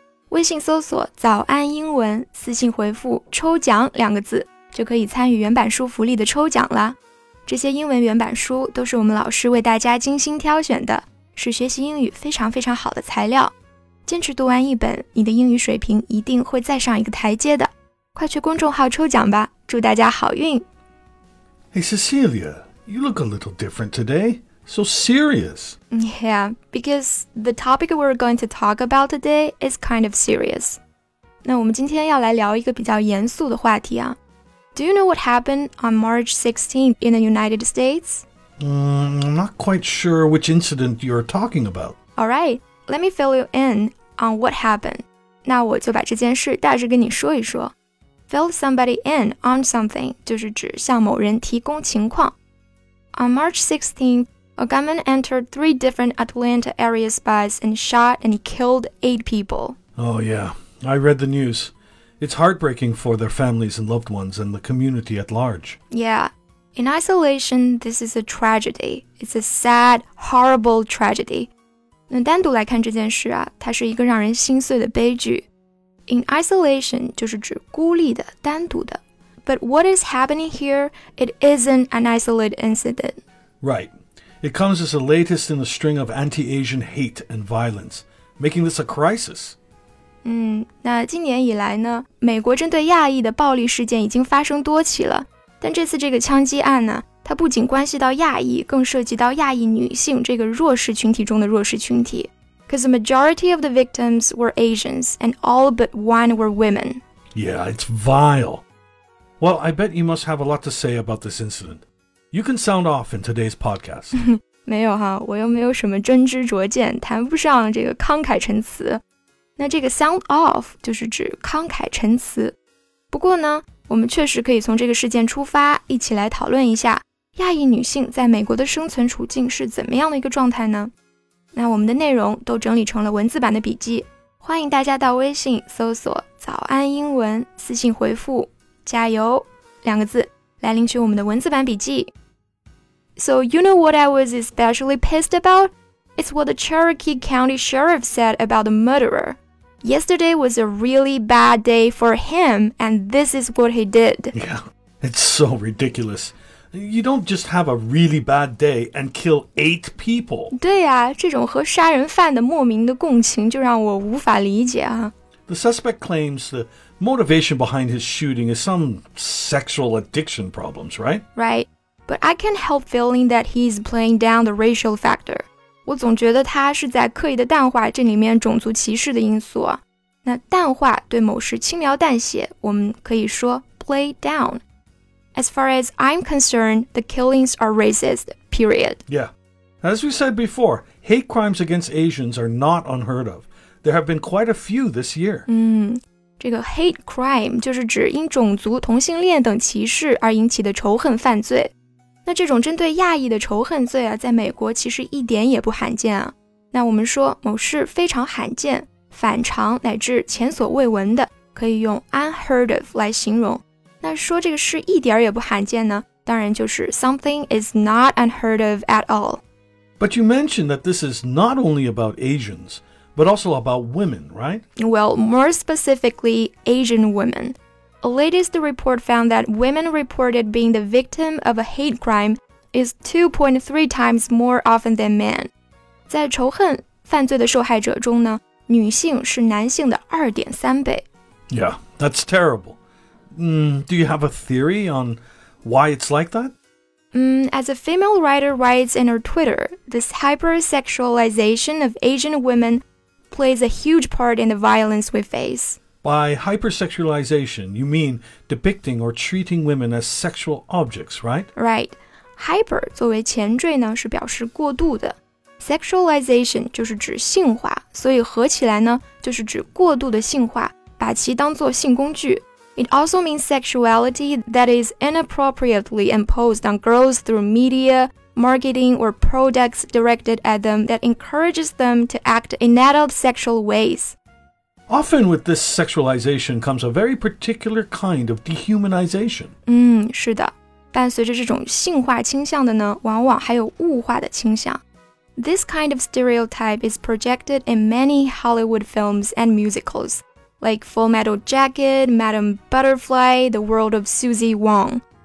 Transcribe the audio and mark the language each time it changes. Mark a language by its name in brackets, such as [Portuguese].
[Chinese] 微信搜索早安英文，私信回复抽奖两个字，就可以参与原版书福利的抽奖啦。这些英文原版书都是我们老师为大家精心挑选的，是学习英语非常非常好的材料。坚持读完一本，你的英语水平一定会再上一个台阶的。快去公众号抽奖吧，祝大家好运。 [English] Hey Cecilia, you look a little different today. So serious. Yeah, because the topic we're going to talk about today is kind of serious. [Chinese] 那我们今天要来聊一个比较严肃的话题啊。 [English] Do you know what happened on March 16th in the United States? I'm not quite sure which incident you're talking about. All right, let me fill you in on what happened. [Chinese] 那我就把这件事大致跟你说一说。 [English] Fill somebody in on something [Chinese] 就是指向某人提供情况。 [English] On March 16th, a gunman entered three different Atlanta area spas and shot and killed 8 people. Oh yeah, I read the news. It's heartbreaking for their families and loved ones and the community at large. Yeah, in isolation, this is a tragedy. It's a sad, horrible tragedy. [Chinese] 那单独来看这件事啊，它是一个让人心碎的悲剧。 [English] In isolation [Chinese] 就是指孤立的、单独的。 [English] But what is happening here, it isn't an isolated incident. Right. It comes as the latest in a string of anti-Asian hate and violence, making this a crisis. [Chinese] 那今年以来呢，美国针对亚裔的暴力事件已经发生多起了。但这次这个枪击案呢，它不仅关系到亚裔，更涉及到亚裔女性这个弱势群体中的弱势群体。 [English] Because the majority of the victims were Asians, and all but one were women. Yeah, it's vile. Well, I bet you must have a lot to say about this incident. You can sound off in today's podcast. [Chinese] 没有哈，我又没有什么真知灼见，谈不上这个慷慨陈词。那这个 sound off 就是指慷慨陈词。不过呢，我们确实可以从这个事件出发，一起来讨论一下亚裔女性在美国的生存处境是怎么样的一个状态呢？那我们的内容都整理成了文字版的笔记，欢迎大家到微信搜索早安英文，私信回复加油两个字来领取我们的文字版笔记。 [English] So you know what I was especially pissed about? It's what the Cherokee County Sheriff said about the murderer. Yesterday was a really bad day for him, and this is what he did. Yeah, it's so ridiculous. You don't just have a really bad day and kill 8 people. [Chinese] 对啊，这种和杀人犯的莫名的共情就让我无法理解啊。 [English] The suspect claims the motivation behind his shooting is some sexual addiction problems, right? Right. But I can't help feeling that he's playing down the racial factor. [Chinese] 我总觉得他是在刻意的淡化这里面种族歧视的因素啊。那淡化对某事轻描淡写，我们可以说 play down. [English] As far as I'm concerned, the killings are racist, period. Yeah. As we said before, hate crimes against Asians are not unheard of. There have been quite a few this year. [Chinese] 这个 hate crime 就是指因种族、同性恋等歧视而引起的仇恨犯罪。那这种针对亚裔的仇恨罪啊，在美国其实一点也不罕见啊。那我们说某事非常罕见、反常乃至前所未闻的，可以用 unheard of 来形容。那说这个事一点也不罕见呢，当然就是 [English] something is not unheard of at all. But you mentioned that this is not only about Asians, but also about women, right? Well, more specifically, Asian women. A latest report found that women reported being the victim of a hate crime is 2.3 times more often than men. [Chinese] 在仇恨犯罪的受害者中呢，女性是男性的 2.3 倍。 [English] Yeah, that's terrible. Do you have a theory on why it's like that? As a female writer writes in her Twitter, this hypersexualization of Asian women plays a huge part in the violence we face. By hypersexualization, you mean depicting or treating women as sexual objects, right? Right. [Chinese] Hyper 作为前缀呢，是表示过度的。Sexualization 就是指性化，所以合起来呢，就是指过度的性化，把其当作性工具。 [English] It also means sexuality that is inappropriately imposed on girls through media, marketing or products directed at them that encourages them to act in adult sexual ways. Often with this sexualization comes a very particular kind of dehumanization. [Chinese] 是的。但随着这种性化倾向的呢，往往还有物化的倾向。 [English] This kind of stereotype is projected in many Hollywood films and musicals, like Full Metal Jacket, Madame Butterfly, The World of Susie Wong.